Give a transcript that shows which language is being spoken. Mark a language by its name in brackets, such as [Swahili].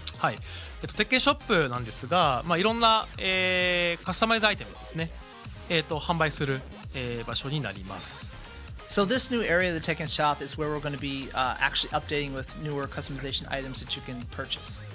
[Japanese] はい。鉄拳ショップなんですが、まあ、いろんな、カスタマイズアイテムですね、販売する、場所になります。 [English] So this new area of the Tekken Shop is where we're going to be actually updating with newer customization items that you can purchase.